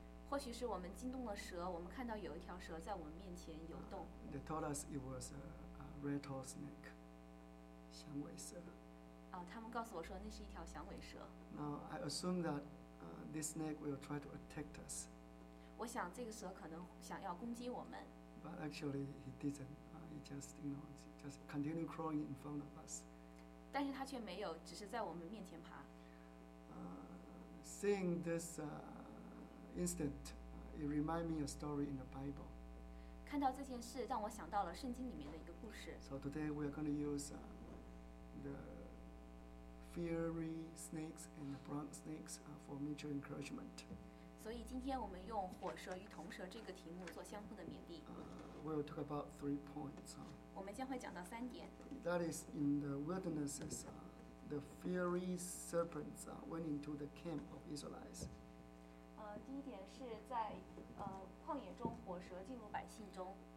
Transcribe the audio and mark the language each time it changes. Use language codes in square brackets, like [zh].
[zh] 或许是我们惊动了蛇，我们看到有一条蛇在我们面前游动。 [en] They told us it was a rattlesnake. 响尾蛇。 [zh] 他们告诉我说那是一条响尾蛇。 [en] Now I assume that this snake will try to attack us. [zh] 我想这个蛇可能想要攻击我们。 [en] But actually he didn't. He just continued crawling in front of us. [zh] 但是他却没有，只是在我们面前爬。 [en] Seeing this incident, it reminds me a story in the Bible. [zh] 看到这件事，让我想到了圣经里面的一个故事。 [en] So today we are going to use. The fiery snakes and the bronze snakes for mutual encouragement. [zh] 所以今天我们用火蛇与铜蛇这个题目做相互的勉励。 [en] We'll talk about 3 points. [zh] 我们将会讲到三点。 [en] That is in the wildernesses, the fiery serpents went into the camp of Israelites. [zh] 第一点是在旷野中火蛇进入百姓中。